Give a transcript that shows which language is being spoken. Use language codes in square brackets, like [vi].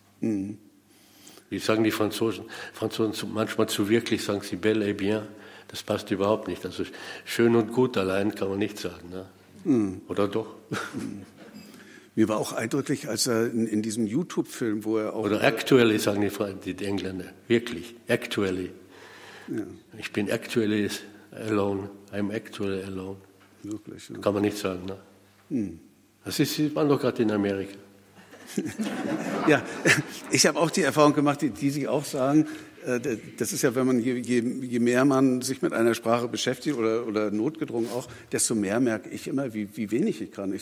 [de] Wie sagen die Franzosen manchmal zu wirklich, sagen sie [fr] belle et bien, [de] das passt überhaupt nicht. Also schön und gut allein kann man nicht sagen. Ne? Oder doch? Mir war auch eindrücklich, als er in diesem YouTube-Film, wo er auch... Oder actually, sagen die Engländer, wirklich, actually. Ja. Ich bin [en] actually alone, I'm actually alone. [de] Wirklich, ja. Kann man nicht sagen, ne? Das ist, sieht man doch gerade in Amerika. Ja, ich habe auch die Erfahrung gemacht, die sich auch sagen, das ist ja, wenn man je mehr man sich mit einer Sprache beschäftigt oder notgedrungen auch, desto mehr merke ich immer, wie wenig ich kann.